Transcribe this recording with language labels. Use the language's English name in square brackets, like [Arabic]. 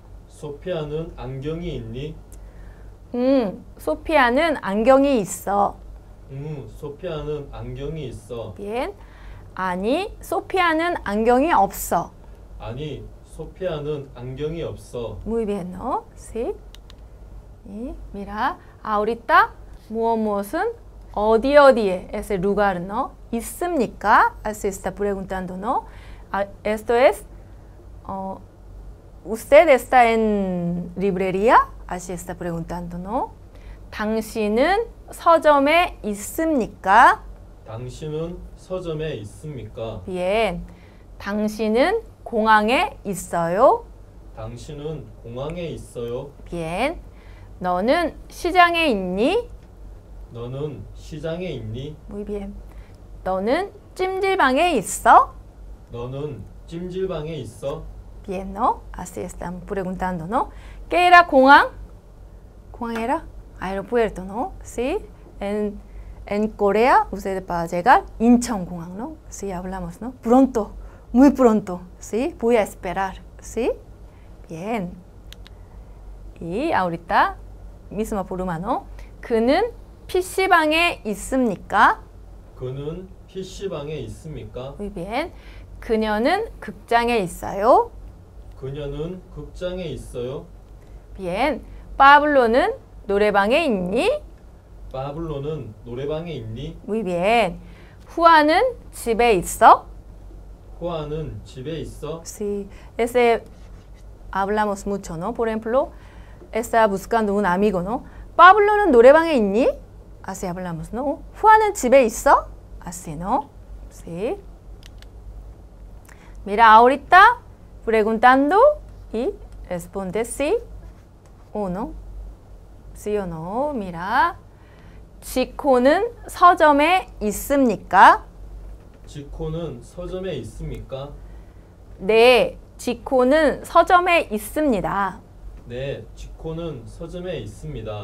[Korean] ¿Sofía는 안경이 있니? 소피아는 안경이 있어. 소피아는 안경이 있어. [Spanish] Bien. [Korean] 아니, 소피아는 안경이 없어. 아니, 소피아는 안경이 없어. [Spanish] Muy bien, ¿no? Sí. Y mira, ahorita, [Korean] 무엇은 어디 어디에 [Spanish] ese lugar, ¿no? [Korean] 있습니까? [Spanish] Así está preguntando, ¿no? Esto es, ¿usted está en librería? Así está preguntando, ¿no? [Korean] 당신은 서점에 있습니까? 당신은 서점에 있습니까? [Spanish] Bien. [Korean] 당신은 공항에 있어요? 당신은 공항에 있어요? [Spanish] Bien. [Korean] 너는 시장에 있니? 너는 시장에 있니? [Spanish] Muy bien. [Korean] 너는 찜질방에 있어? 너는 찜질방에 있어? [Spanish] Bien, ¿no? Así están preguntando, ¿no? ¿Qué era 공항? ¿Cuál era? Aeropuerto, ¿no? Sí. En Corea, ustedes para llegar, Incheon Gwanghwang, ¿no? Sí, hablamos, ¿no? Pronto, muy pronto, ¿sí? Voy a esperar, ¿sí? Bien. Y ahorita, misma forma, ¿no? [Korean] ¿그는 PC방에 있습니까? ¿그는 PC방에 있습니까? [Spanish] Muy bien. [Korean] ¿그녀는 극장에 있어요? ¿그녀는 극장에 있어요? [Spanish] Bien. [Korean] 파블로는 노래방에 있니? 파블로는 노래방에 있니? [Spanish] Muy bien. [Korean] 후아는 집에 있어? 후아는 집에 있어? [Spanish] Sí. Ese hablamos mucho, ¿no? Por ejemplo, está buscando un amigo, ¿no? [Korean] 파블로는 노래방에 있니? [Spanish] Así hablamos, ¿no? [Korean] 후아는 집에 있어? [Spanish] Así, ¿no? Sí. Mira, ahorita preguntando y responde sí. ¿O no? Sí o no, mira. [Korean] ¿Chico는 서점에 있습니까? ¿Chico는 서점에 있습니까? 네, 지코는 서점에 있습니다. 네, 지코는 서점에 있습니다.